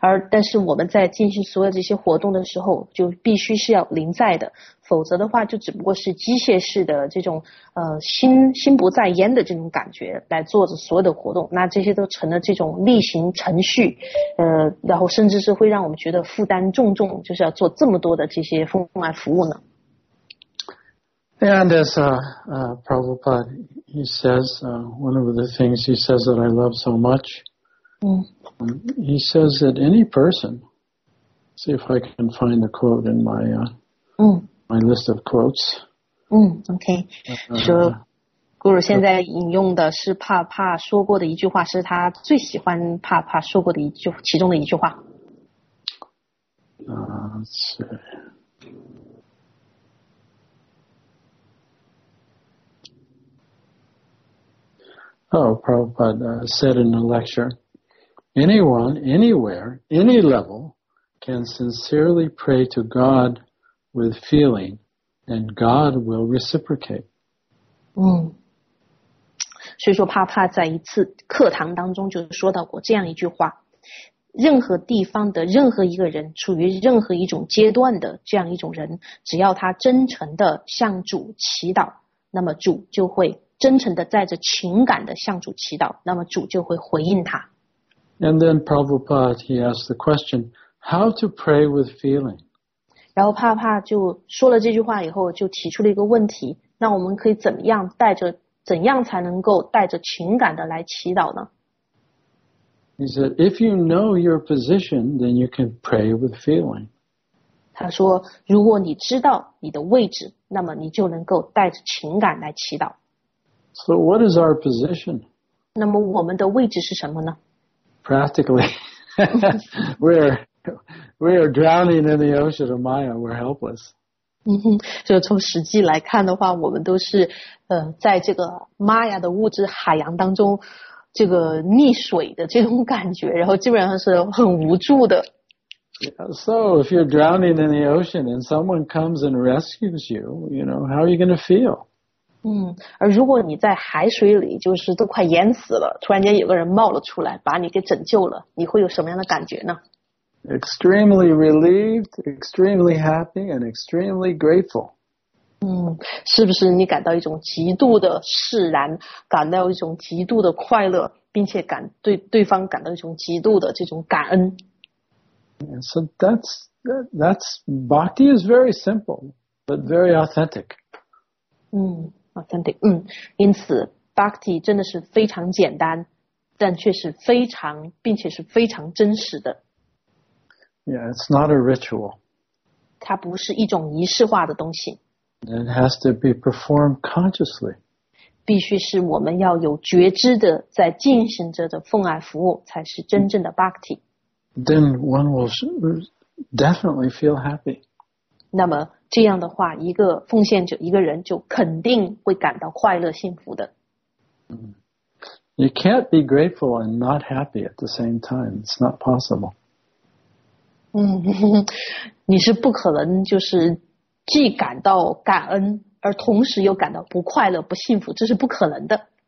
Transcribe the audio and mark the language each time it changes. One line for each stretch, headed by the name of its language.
Chinese: 但是我们在进行所有这些活动的时候，就必须是要临在的，否则的话就只不过是机械式的这种心不在焉的这种感觉来做着所有的活动，那这些都成了这种例行程序，然后甚至是会让我们觉得负担重，就是要做这么多的这些奉爱服务呢。
English: And as Prabhupada he says, one of the things he says that I love so much. He says that any person, see if I can find the quote in my, my list of quotes. Okay.
Chinese: 说古鲁现在引用的是帕帕说过的一句话，是他最喜欢帕帕说过的一句，其中的一句话。
English: Let's see. Oh, Prabhupada said in a lecture. Anyone, anywhere, any level can sincerely pray to God with feeling and God will reciprocate.
Chinese: 所以说帕帕在一次课堂当中就说到过这样一句话，任何地方的任何一个人，处于任何一种阶段的这样一种人，只要他真诚地向主祈祷，那么主就会真诚地带着情感地向主祈祷，那么主就会回应他。
English: And then Prabhupada, he asked the question, how to pray with feeling?
Chinese: 然后帕帕就说了这句话以后就提出了一个问题，那我们可以怎样才能够带着情感的来祈祷呢？
English: He said, if you know your position, then you can pray with feeling.
Chinese: 他说，如果你知道你的位置，那么你就能够带着情感来祈祷。
English: So what is our position?
Chinese: 那么我们的位置是什么呢？
English: Practically, we are drowning in the ocean of Maya. We're helpless.
Chinese: 就从实际来看的话，我们都是在这个 Maya 的物质海洋当中，这个溺水的这种感觉，然后基本上是很无助的。
English: So if you're drowning in the ocean and someone comes and rescues you, you know, how are you going to feel?
Chinese: 而如果你在海水里就是都快淹死了，突然间有个人冒了出来把你给拯救了，你会有什么样的感觉呢？
English: Extremely relieved, extremely happy, and extremely grateful.
Chinese: 是不是你感到一种极度的释然，感到一种极度的快乐，并且对方感到一种极度的这种感恩？
English: And so that's bhakti is very simple, but very authentic. Authentic.
Chinese: 因此 bhakti 真的是非常简单，但却是非常，并且是非常真实的。
English: Yeah, it's not a ritual.
Chinese: 它不是一种仪式化的东西。
English: It has to be performed consciously.
Chinese: 必须是我们要有觉知的在进行着的奉爱服务才是真正的 bhakti。
English: Then one will definitely feel happy.
Chinese: 那么这样的话一个奉献者一个人就肯定会感到快乐幸福的。
English: You can't be grateful and not happy at the same time. It's not possible.
Chinese: 你是不可能就是既感到感恩而同时又感到不快乐不幸福这是不可能的。